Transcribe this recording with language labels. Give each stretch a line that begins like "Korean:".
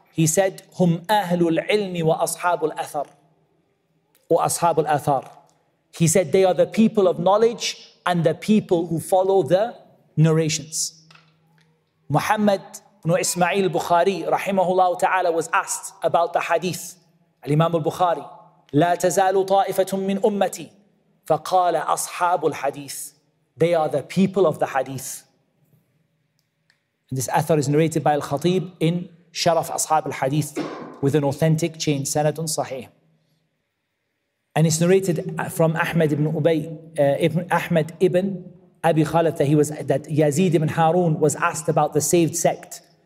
English: He said,
Arabic: هم أهل العلم وأصحاب الأثر. وأصحاب الأثر.
English: He said, they are the people of knowledge and the people who follow the narrations. Muhammad ibn Ismail al-Bukhari, rahimahullah ta'ala, was asked about the hadith.
Arabic: Al-Imam al-Bukhari, لا تزال طائفة من أمتي فقال أصحاب الحديث.
English: They are the people of the hadith. And this author is narrated by al-Khatib in Sharaf Ashab al-Hadith with an authentic chain,
Arabic: Sanadun Sahih.
English: And it's narrated from Ahmad ibn Ubay, Ahmad ibn Abi Khalid, that Yazid ibn Harun was asked about the saved sect.